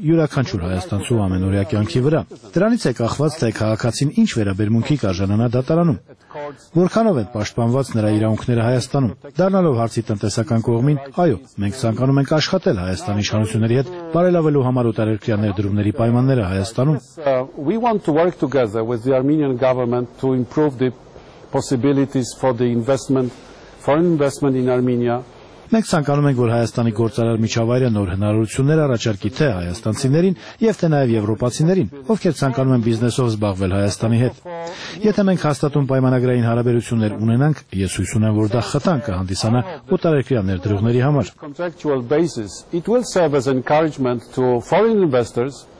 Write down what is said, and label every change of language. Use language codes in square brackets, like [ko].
[hy] յուրաքանչյուր հայաստանցու ամենօրյա կյանքի վրա։ Դրանից է կախված, թե քաղաքացին ինչ վերաբերմունքի կարժանանա դատարանում, որքանով են պաշտպանված նրա իրավունքները Հայաստանում։ Դառնալով հարցի տնտեսական կողմին, այո, մենք ցանկանում ենք աշխատել Հայաստանի իշխանությունների հետ բարելավելու համար օտարերկրյա ներդրումների պայմանները Հայաստանում։ [en] We want to work together with the Armenian government to improve the possibilities for the investment, foreign investment in Armenia. [hy] Մենք ցանկանում ենք, որ Հայաստանի գործարար միջավայրը նոր հնարավորություններ առաջարկի թե հայաստանցիներին, եւ թե նաեւ եվրոպացիներին, ովքեր ցանկանում են բիզնեսով զբաղվել Հայաստանի հետ։ Եթե մենք հաստատուն պայմանագրային հարաբերություններ ունենանք, ես հույս ունեմ, որ դա խթան կհանդիսանա օտարերկրյա ներդրողների համար։